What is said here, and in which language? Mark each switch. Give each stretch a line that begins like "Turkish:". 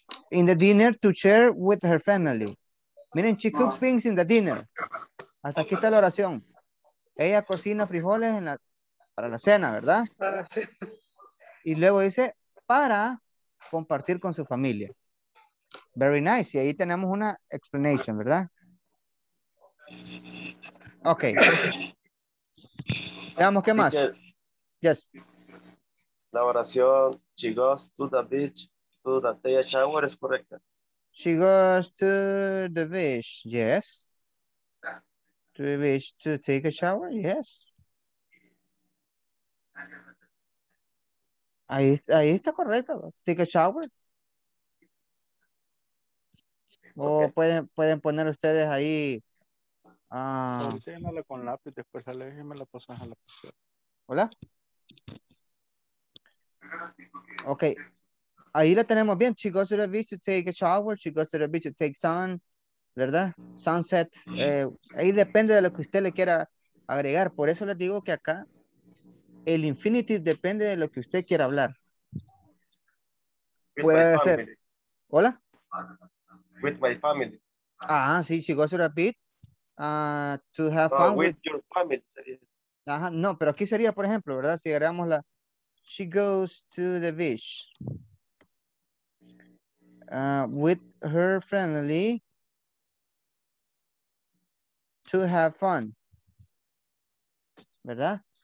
English: In the dinner to share with her family.
Spanish: Miren,
English: she cooks beans in the dinner.
Spanish: Hasta aquí está la oración. Ella cocina frijoles en la, para la cena, ¿verdad? Para la cena. Y luego dice, para compartir con su familia.
English: Very nice.
Spanish: Y ahí tenemos una explanation, ¿verdad? Ok. Veamos, ¿qué más? Yes. La oración,
English: she goes to the beach to the day shower,
Spanish: es correcta.
English: She goes to the beach, yes. To the beach to take a shower, yes.
Spanish: Ahí está correcto,
English: take a shower.
Spanish: O okay. pueden poner ustedes ahí. Llénala con lápiz, después sale y me la pasas a la persona. Hola. Ok. Ahí la tenemos bien.
English: She goes to the beach to take a shower. She goes to the beach to take sun.
Spanish: ¿Verdad? Sunset. Ahí depende de lo que usted le quiera agregar. Por eso les digo que acá el infinitive depende de lo que usted quiera hablar. Puede ser. Hola.
English: With my family. Ah, sí, she goes to the beach. To have fun with your family.
Spanish: Ajá, no, pero aquí sería, por ejemplo, ¿verdad? Si agregamos la
English: she goes to the beach with her family to have fun, ¿verdad?